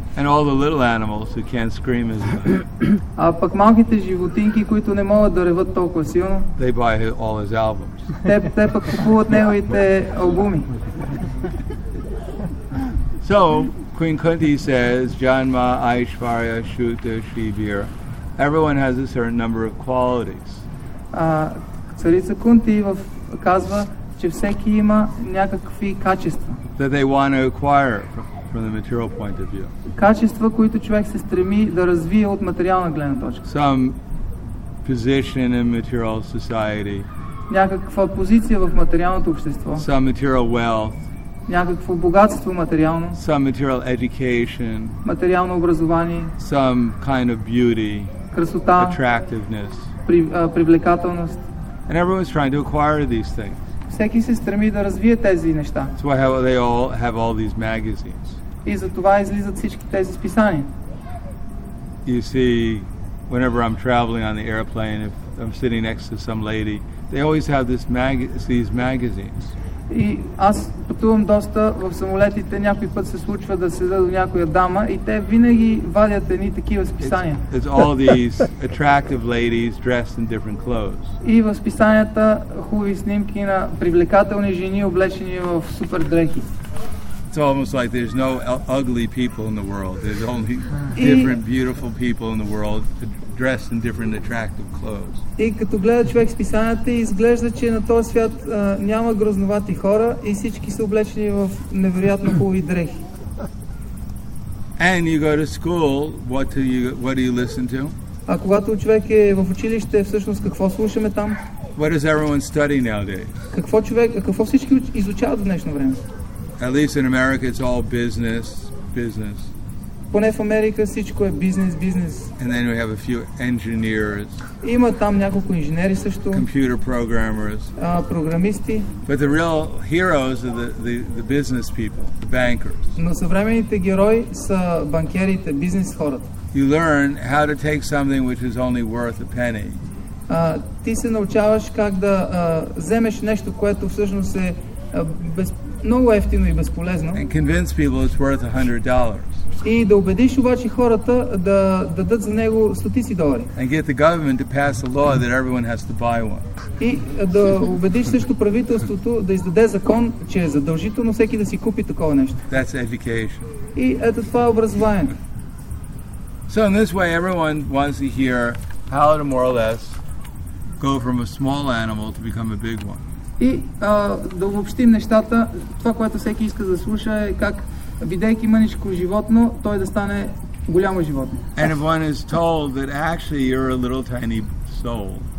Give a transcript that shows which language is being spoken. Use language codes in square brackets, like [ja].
[en] And all the little animals who can't scream as much. [bg] А пък малките животинки, които не могат да реват толкова силно. [en] They buy all his albums. [bg] Те пък купуват неговите албуми. [en] So, Queen Kunti says, Janma, Aishvarya, Shuta, Shivira. Everyone has a certain number of qualities. [bg] Царица Кунти казва, че всеки има някакви качества. [en] That they want to acquire from the material point of view. [bg] Качества, които човек се стреми да развие от материална гледна точка. [en] Some position in material society. [bg] Някаква позиция в материалното общество. [en] Some material wealth. [bg] Някакво богатство материално. [en] Some material education. [bg] Материално образование. [en] Some kind of beauty. [bg] Красота, [en] attractiveness, [bg] привлекателност. [en] And everyone's trying to acquire these things. [bg] Всеки се стреми да развие тези неща. [en] So why they all have all these magazines. [bg] И затова излизат всички тези списания. [en] You see, whenever I'm traveling on the airplane, if I'm sitting next to some lady, they always have this these magazines. [bg] И аз пътувам доста в самолетите, някой път се случва да седа до някоя дама и те винаги вадят едни такива списания. [en] It's all these attractive ladies dressed in different clothes. [bg] И в списанията хубави снимки на привлекателни жени, облечени в супер дрехи. [en] It's almost like there's no ugly people in the world. There's only different beautiful people in the world dressed in different attractive clothes. [bg] И като гледа човек списанията, изглежда, че на този свят няма грозновати хора и всички са облечени в невероятно хубави дрехи. [en] And you go to school, what do you listen to? [bg] А когато човек е в училище, всъщност какво слушаме там? [en] What does everyone study nowadays? [bg] Какво всички изучават в днешно време? [en] At least in America, it's all business. [bg] Поне в Америка всичко е бизнес. [en] And then we have a few engineers. [bg] Има там няколко инженери също. [en] Computer programmers. [bg] Програмисти. [en] But the real heroes are the business people, the bankers. [bg] Но съвременните герои са банкерите, бизнес хората. [en] You learn how to take something which is only worth a penny. [bg] Ти се научаваш как да вземеш нещо, което всъщност е много ефтино и безполезно. [en] And convince people it's worth $100. [bg] И да убедиш обаче хората да дадат за него стотици долари. [en] And get the government to pass a law that everyone has to buy one. [bg] И да убедиш също правителството да издаде закон, че е задължително всеки да си купи такова нещо. [en] That's education. [bg] И ето това е образование. [en] So in this way everyone wants to hear how to more or less go from a small animal to become a big one. [bg] И да обобщим нещата, това, което всеки иска да слуша е как бидейки мъничко животно, той да стане голямо животно. [en] And everyone is told that actually you're a little tiny soul.